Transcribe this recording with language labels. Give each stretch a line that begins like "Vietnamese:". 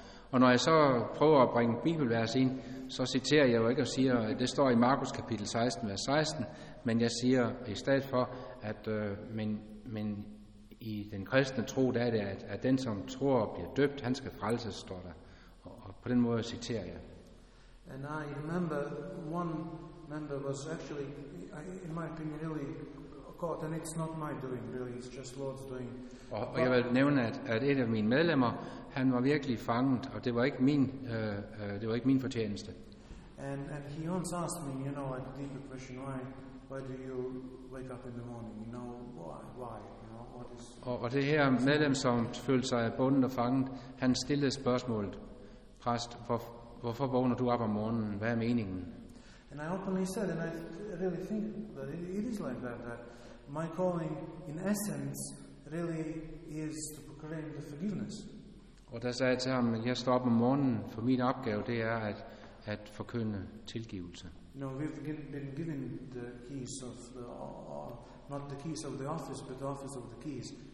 Danish: Og når jeg så prøver at bringe bibelvers ind, så citerer jeg jo ikke og siger, det står i Markus kapitel 16, vers 16, men jeg siger i stedet for, at men i den kristne tro, der er det, at den, som tror og bliver døbt, han skal frelses, står der. Og på den måde citerer jeg.
English: And I remember one member was actually, in my opinion, really caught, and it's not my doing, really, it's just Lord's doing.
Danish: Og jeg vil nævne, at et af mine medlemmer, han var virkelig fanget, og det var ikke min, det var ikke min fortjeneste.
English: And he once asked me, you know, like a deeper question, why do you wake up in the morning? You know, why?
Danish: Og det her medlem, som følte sig bundet og fanget, han stillede spørgsmålet, præst, hvorfor vågner du op om morgenen? Hvad er meningen?
English: And I openly said, and I really think that it is like that my calling in essence really is to proclaim the forgiveness.
Danish: Og der sagde jeg til ham, jeg står op om morgenen, for min opgave det er at forkynde tilgivelse.
English: No, we've been given the keys of the not the keys of the office, but the office of the keys.